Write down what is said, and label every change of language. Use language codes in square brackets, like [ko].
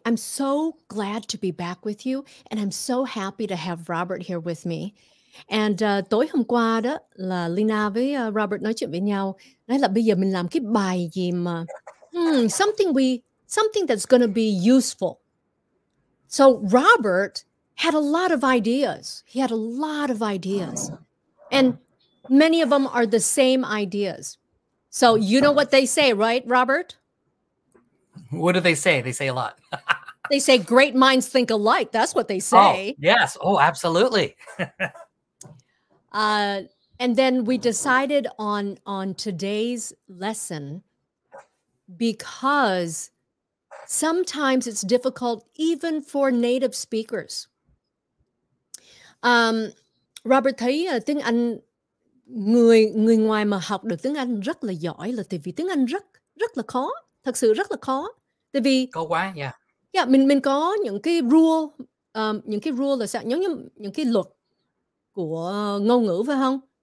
[en] I'm so glad to be back with you and I'm so happy to have Robert here with me. [vi] And tối hôm qua đó là Leyna với Robert nói chuyện với nhau, nói là bây giờ mình làm cái bài gì mà [en] something that's going to be useful. So Robert had a lot of ideas. He had a lot of ideas. And many of them are the same ideas. So you know what they say, right, Robert? What do they say? They say a lot. They say great minds think alike. That's what they say. Oh, yes. Oh, absolutely. And then we decided on today's lesson because sometimes it's difficult even for native speakers. [vi] Robert thấy tiếng Anh người ngoài mà học được tiếng Anh rất là giỏi là tại vì tiếng Anh rất rất là khó, thật sự rất là khó. Tại vì khó quá, yeah. Yeah, mình có những cái rule là sao? Giống như những cái luật của ngôn ngữ phải không?